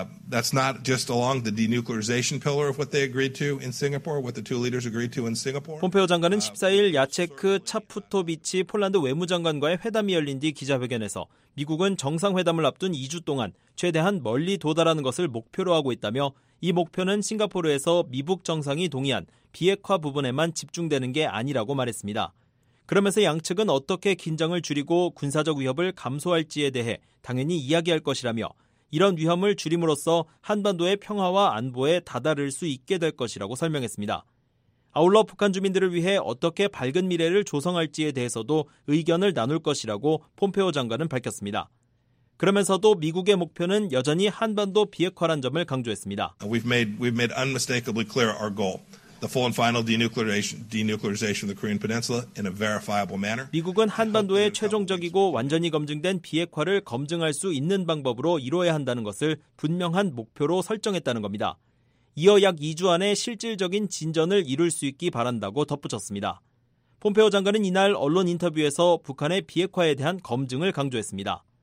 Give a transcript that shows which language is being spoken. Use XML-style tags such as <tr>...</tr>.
<en>That's not just along the denuclearization pillar of what they agreed to in Singapore, what the two leaders agreed to in Singapore.</en> <ko>폼페이오 장관은 14일 야체크 차프토비치 폴란드 외무장관과의 회담이 열린 뒤 기자회견에서 미국은 정상회담을 앞둔 2주 동안 최대한 멀리 도달하는 것을 목표로 하고 있다며 이 목표는 싱가포르에서 미북 정상이 동의한 비핵화 부분에만 집중되는 게 아니라고 말했습니다. 그러면서 양측은 어떻게 긴장을 줄이고 군사적 위협을 감소할지에 대해 당연히 이야기할 것이라며 이런 위험을 줄임으로써 한반도의 평화와 안보에 다다를 수 있게 될 것이라고 설명했습니다. 아울러 북한 주민들을 위해 어떻게 밝은 미래를 조성할지에 대해서도 의견을 나눌 것이라고 폼페이오 장관은 밝혔습니다. 그러면서도 미국의 목표는 여전히 한반도 비핵화란 점을 강조했습니다.</ko> <en>We've made unmistakably clear our goal. The full and final denuclearization of the Korean Peninsula in a verifiable manner.</en> <ko>미국은 한반도의 최종적이고 완전히 검증된 비핵화를 검증할 수 있는 방법으로 이루어야 한다는 것을 분명한 목표로 설정했다는 겁니다. 이어 약 2주 안에 실질적인 진전을 이룰 수 있기 바란다고 덧붙였습니다. 폼페이오 장관은 이날 언론 인터뷰에서 북한의 비핵화에 대한 검증을 강조했습니다.</ko>